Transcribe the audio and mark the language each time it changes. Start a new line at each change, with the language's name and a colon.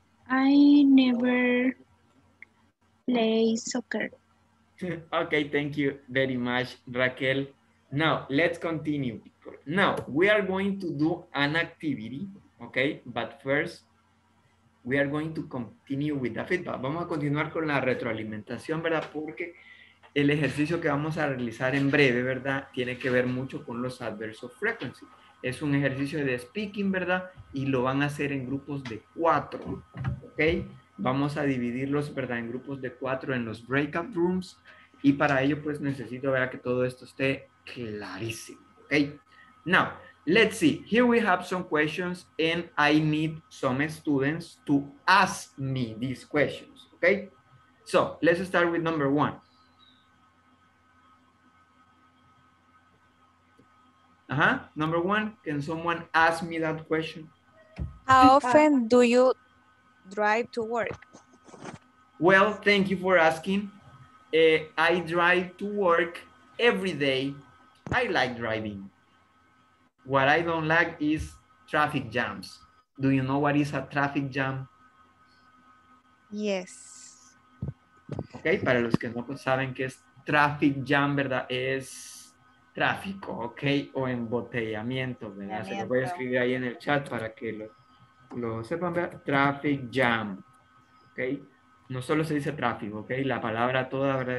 English: I never play soccer. Okay, thank you very much, Raquel. Now, let's continue. Now, we are going to do an activity, okay? But first, we are going to continue with the feedback.
Spanish: Vamos a continuar con la retroalimentación, ¿verdad? Porque el ejercicio que vamos a realizar en breve, ¿verdad? Tiene que ver mucho con los
English: adverbs of frequency.
Spanish: Es un ejercicio de speaking, ¿verdad? Y lo van a hacer en grupos de 4, ¿ok? Vamos a dividirlos, ¿verdad? En grupos de 4 en los breakout rooms. Y para ello, pues, necesito ver que todo esto esté clarísimo.
English: Okay, now let's see. Here we have some questions and I need some students to ask me these questions. Okay, so let's start with number one. Number one, can someone ask me that question? How often do you drive to work? Well, thank you for asking. I drive to work every day. I like driving. What I don't like is traffic jams. Do you know what is a traffic jam? Yes.
Spanish: Okay, para los que no saben qué es traffic jam, ¿verdad? Es tráfico, okay, o embotellamiento, ¿verdad? Se lo voy a escribir ahí en el chat para que lo sepan, ¿verdad? Traffic jam, okay. No solo se dice tráfico, okay, la palabra toda, ¿verdad?